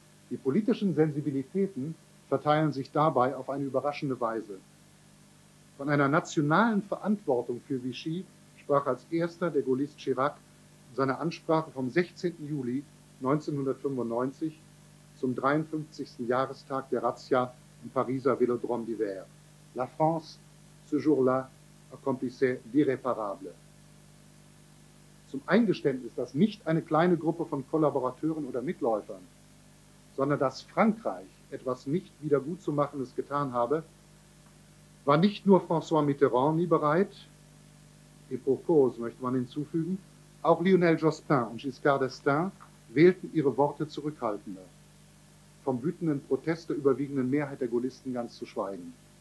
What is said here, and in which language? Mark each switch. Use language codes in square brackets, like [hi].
[de] Die politischen Sensibilitäten verteilen sich dabei auf eine überraschende Weise. Von einer nationalen Verantwortung für Vichy sprach als erster der Gaulliste Chirac in seiner Ansprache vom 16. Juli 1995 zum 53. Jahrestag der Razzia im Pariser Vélodrome d'Hiver. [fr] La France, ce jour-là, accomplissait l'irréparable. [de] Zum Eingeständnis, dass nicht eine kleine Gruppe von Kollaborateuren oder Mitläufern, sondern dass Frankreich etwas nicht Wiedergutzumachendes getan habe, war nicht nur François Mitterrand nie bereit, [fr] et pour cause [de] möchte man hinzufügen, auch Lionel Jospin und Giscard d'Estaing wählten ihre Worte zurückhaltender, vom wütenden Protest der überwiegenden Mehrheit der Gaullisten ganz zu schweigen.